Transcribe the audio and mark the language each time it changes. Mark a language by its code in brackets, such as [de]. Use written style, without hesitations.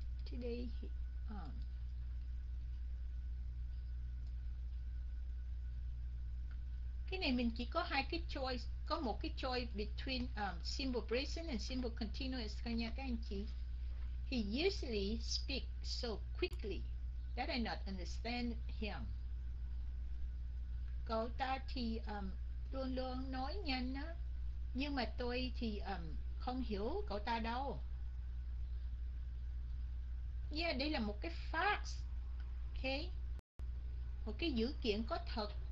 [vi] Today, cái này mình chỉ có hai cái choice, có một cái choice between simple present and simple continuous thôi nha các anh chị. [en] He usually speaks so quickly that I not understand him. [vi] Cậu ta thì luôn luôn nói nhanh á, nhưng mà tôi thì không hiểu cậu ta đâu. Yeah, đây là một cái fact, okay. Một cái dữ kiện có thật.